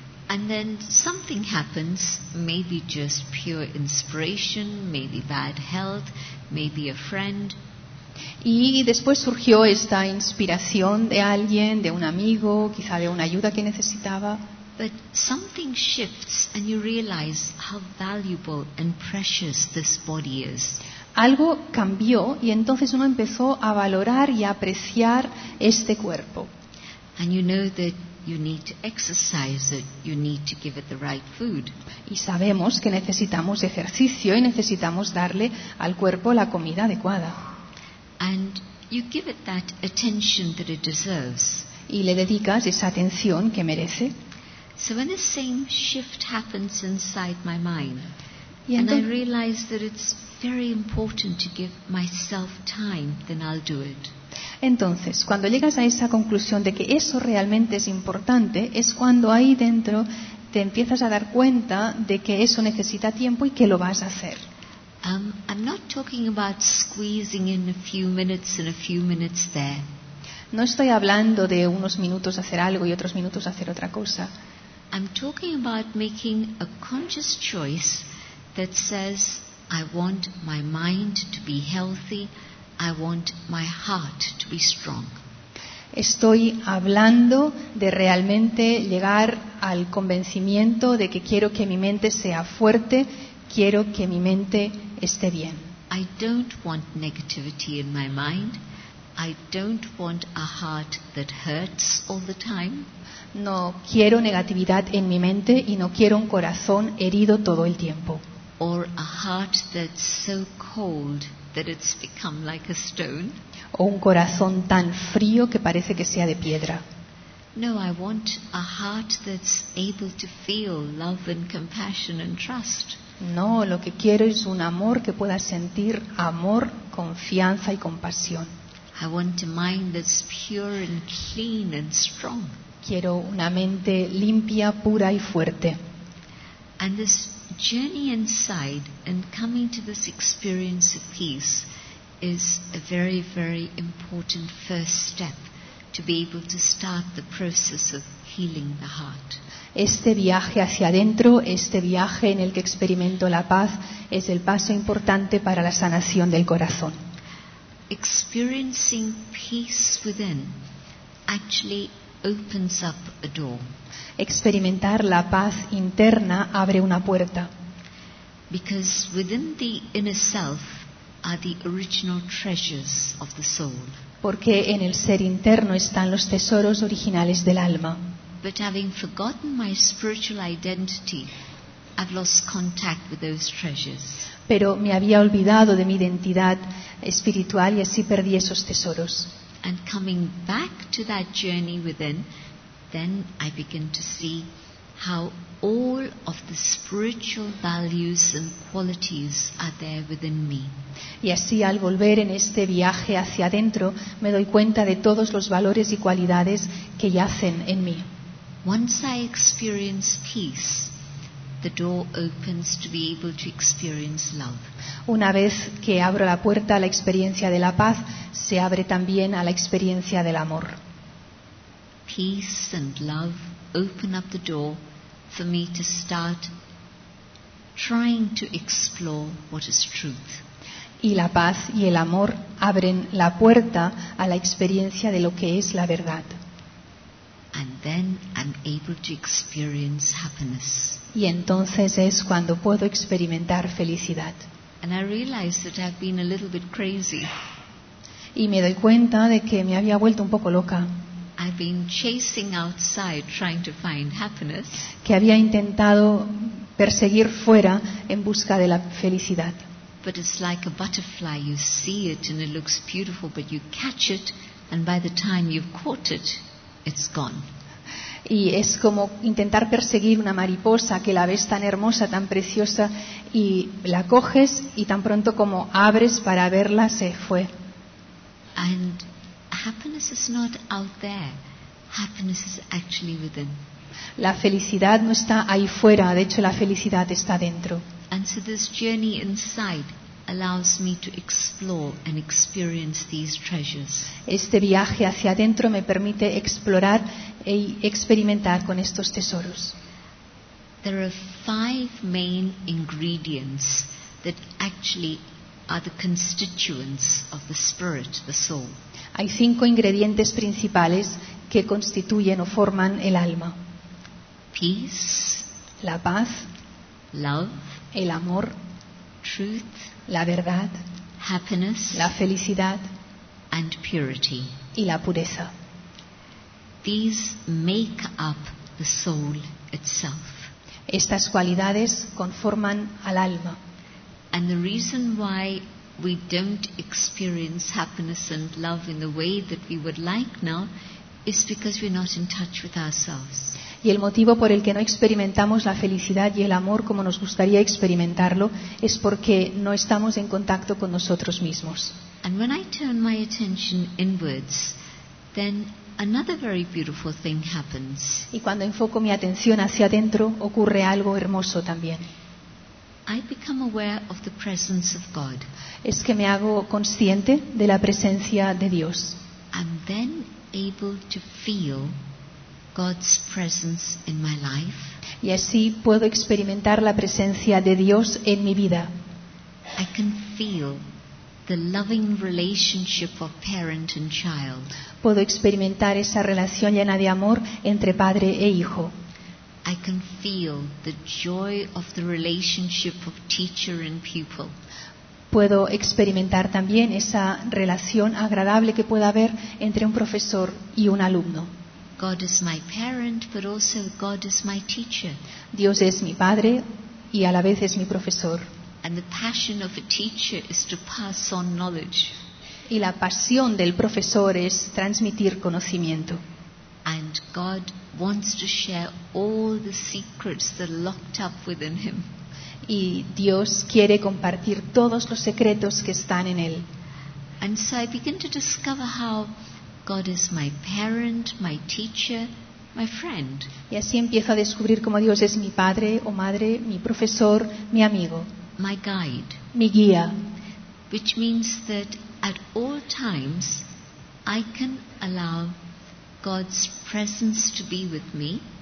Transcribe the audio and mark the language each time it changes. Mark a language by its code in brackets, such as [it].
[en] And then something happens, maybe just pure inspiration, maybe bad health, maybe a friend. [es] Y después surgió esta inspiración de alguien, de un amigo, quizá de una ayuda que necesitaba. [en] But something shifts and you realize how valuable and precious this body is. [es] Algo cambió y entonces uno empezó a valorar y a apreciar este cuerpo. [en] And you know that you need to exercise it, you need to give it the right food. [es] Y sabemos que necesitamos ejercicio y necesitamos darle al cuerpo la comida adecuada. [en] And you give it that attention that it deserves. [es] Y le dedicas esa atención que merece. [en] So when the same shift happens inside my mind, and I realize that it's very important to give myself time, then I'll do it. [es] Entonces, cuando llegas a esa conclusión de que eso realmente es importante, es cuando ahí dentro te empiezas a dar cuenta de que eso necesita tiempo y que lo vas a hacer. [en] I'm not talking about squeezing in a few minutes and a few minutes there. [es] No estoy hablando de unos minutos hacer algo y otros minutos hacer otra cosa. [en] I'm talking about making a conscious choice that says I want my mind to be healthy. I want my heart to be strong. [es] Estoy hablando de realmente llegar al convencimiento de que quiero que mi mente sea fuerte, quiero que mi mente esté bien. [en] I don't want negativity in my mind. I don't want a heart that hurts all the time. [es] No quiero negatividad en mi mente y no quiero un corazón herido todo el tiempo. [en] Or a heart that's so cold that it's become like a stone. [es] O un corazón tan frío que parece que sea de piedra. [en] No, I want a heart that's able to feel love and compassion and trust. [es] No, lo que quiero es un amor que pueda sentir amor, confianza y compasión. [en] I want a mind that's pure and clean and strong. [es] Quiero una mente limpia, pura y fuerte. [en] And this journey inside and coming to this experience of peace is a very, very important first step to be able to start the process of healing the heart. [es] Este viaje hacia adentro, este viaje en el que experimento la paz, es el paso importante para la sanación del corazón. [en] Experiencing peace within actually opens up a door. [es] Experimentar la paz interna abre una puerta. [en] Because within the inner self are the original treasures of the soul. [es] Porque en el ser interno están los tesoros originales del alma. [en] But having forgotten my spiritual identity, I've lost contact with those treasures. [es] Pero me había olvidado de mi identidad espiritual y así perdí esos tesoros. [en] And coming back to that journey within, then I begin to see how all of the spiritual values and qualities are there within me. [es] Y así al volver en este viaje hacia adentro, me doy cuenta de todos los valores y cualidades que yacen en mí. [en] Once I experience peace, the door opens to be able to experience love. [es] Una vez que abro la puerta a la experiencia de la paz, se abre también a la experiencia del amor. [en] Peace and love open up the door for me to start trying to explore what is truth. [es] Y la paz y el amor abren la puerta a la experiencia de lo que es la verdad. [en] And then I'm able to experience happiness. [es] Y entonces es cuando puedo experimentar felicidad. [en] And I realize that I've been a little bit crazy. [es] Y me doy cuenta de que me había vuelto un poco loca. [en] I've been chasing outside trying to find happiness. [es] Que había intentado perseguir fuera en busca de la felicidad. [en] But it's like a butterfly, you see it and it looks beautiful, but you catch it and by the time you've caught it, it's gone. [es] Y es como intentar perseguir una mariposa que la ves tan hermosa, tan preciosa y la coges y tan pronto como abres para verla se fue. [en] And happiness is not out there. Happiness is actually within. [es] La felicidad no está ahí fuera, de hecho la felicidad está dentro. [en] And so this journey inside allows me to explore and experience these treasures. [es] Este viaje hacia adentro me permite explorar y experimentar con estos tesoros. [en] There are five main ingredients that actually are the constituents of the spirit, the soul. [es] Hay cinco ingredientes principales que constituyen o forman el alma. [en] Peace, [es] la paz, [en] love, [es] el amor, [en] truth, [es] la verdad, [en] happiness, [es] la felicidad, [en] and purity, [es] y la pureza. [en] These make up the soul itself. [es] Estas cualidades conforman al alma. [en] And the reason why we don't experience happiness and love in the way that we would like now is because we're not in touch with ourselves. [es] Y el motivo por el que no experimentamos la felicidad y el amor como nos gustaría experimentarlo es porque no estamos en contacto con nosotros mismos. [en] And when I turn my attention inwards, then another very beautiful thing happens. [es] Y cuando enfoco mi atención hacia adentro, ocurre algo hermoso también. [en] I become aware of the presence of God. [es] Es que me hago consciente de la presencia de Dios. [en] I'm then able to feel God's presence in my life. [es] Y así puedo experimentar la presencia de Dios en mi vida. [en] I can feel the loving relationship of parent and child. [es] Puedo experimentar esa relación llena de amor entre padre e hijo. [en] I can feel the joy of the relationship of teacher and pupil. [es] Puedo experimentar también esa relación agradable que pueda haber entre un profesor y un alumno. [en] God is my parent, but also God is my teacher. [es] Dios es mi padre y a la vez es mi profesor. [en] And the passion of a teacher is to pass on knowledge. [es] Y la pasión del profesor es transmitir conocimiento. [en] And God wants to share all the secrets that are locked up within him. [es] y Dios quiere compartir todos los secretos que están en él. [en] And so I begin to discover how God is my parent, my teacher, my friend. [es] Y así empiezo a descubrir cómo Dios es mi padre o madre, mi profesor, mi amigo, [en] my guide, [es] mi guía, [en] which means that at all times I can allow God's presence to be with me.